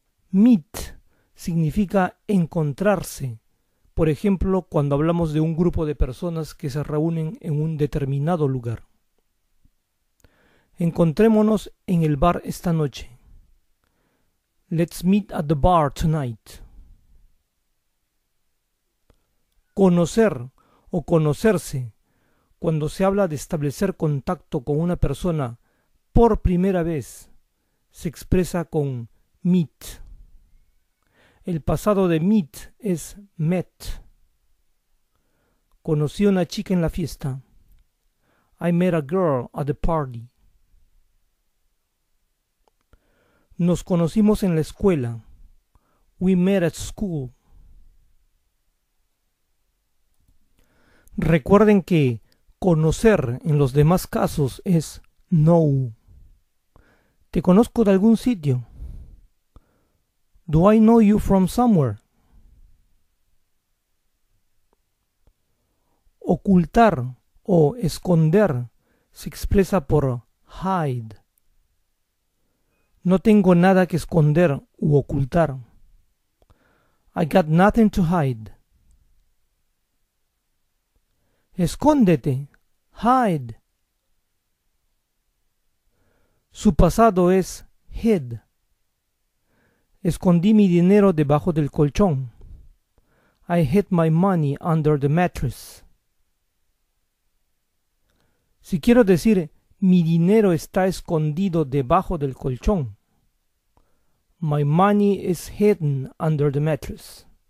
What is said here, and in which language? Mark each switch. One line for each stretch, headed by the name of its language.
Spanish: Meet significa encontrarse. Por ejemplo, cuando hablamos de un grupo de personas que se reúnen en un determinado lugar. Encontrémonos en el bar esta noche.
English: Let's meet at the bar tonight.
Spanish: Conocer o conocerse. Cuando se habla de establecer contacto con una persona por primera vez, se expresa con meet. El pasado de meet es met. Conocí a una chica en la fiesta.
English: I met a girl at the party.
Spanish: Nos conocimos en la escuela.
English: We met at school.
Spanish: Recuerden que conocer en los demás casos es know. ¿Te conozco de algún sitio?
English: Do I know you from somewhere?
Spanish: Ocultar o esconder se expresa por hide. No tengo nada que esconder u ocultar.
English: I got nothing to hide.
Spanish: Escóndete.
English: Hide.
Spanish: Su pasado es hid. Escondí mi dinero debajo del colchón.
English: I hid my money under the mattress.
Spanish: Si quiero decir mi dinero está escondido debajo del colchón.
English: My money is hidden under the mattress.